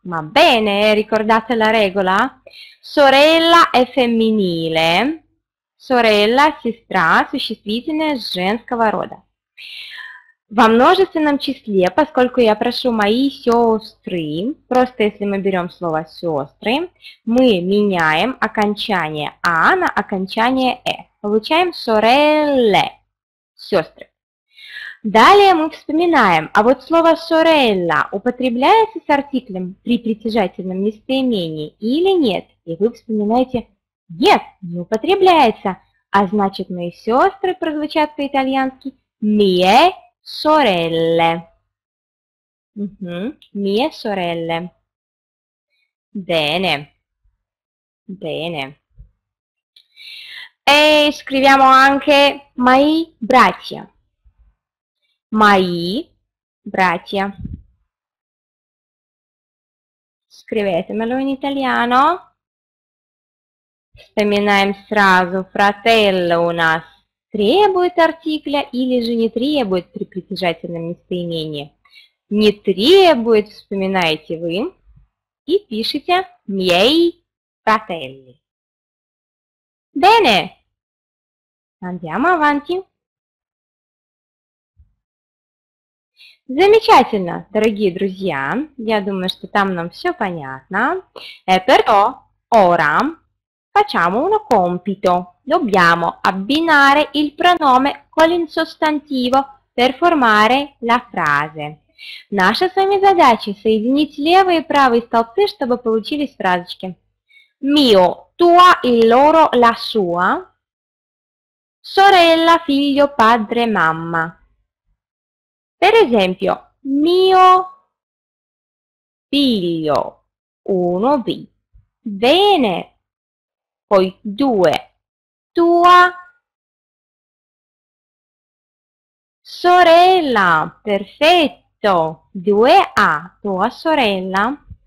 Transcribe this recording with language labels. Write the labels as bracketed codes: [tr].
[it] Va bene, ricordate la regola? Sorella è femminile. [ru] Sorella, сестра, существительное женского рода. Во множественном числе, поскольку я прошу мои сестры, просто если мы берем слово сестры, мы меняем окончание а на окончание э. Получаем сорелле, сестры. Далее мы вспоминаем, а вот слово сорелла употребляется с артиклем при притяжательном местоимении или нет? И вы вспоминаете, нет, не употребляется. А значит, мои сестры прозвучат по-итальянски. [it] Mie sorelle. Mie sorelle. Bene. Bene. E scriviamo anche [ru] mai bracia. Mai bracia. [it] Scrivetemelo in italiano. [ru] Вспоминаем сразу fratello у нас. Требует артикля или же не требует при притяжательном местоимении? Не требует, вспоминаете вы, и пишете miei fratelli. [it] Bene! Andiamo avanti. [ru] Замечательно, дорогие друзья. Я думаю, что там нам все понятно. [it] Però, ora facciamo un compito. Dobbiamo abbinare il pronome con il sostantivo per formare la frase. [ru] Наша с вами задача – соединить левые и правые столбцы, чтобы получились фразочки. [it] Mio, tua, il loro, la sua. Sorella, figlio, padre, mamma. Per esempio, mio figlio, uno, vi. Bene. Poi, due. Tua sorella, perfetto, 2A, tua sorella.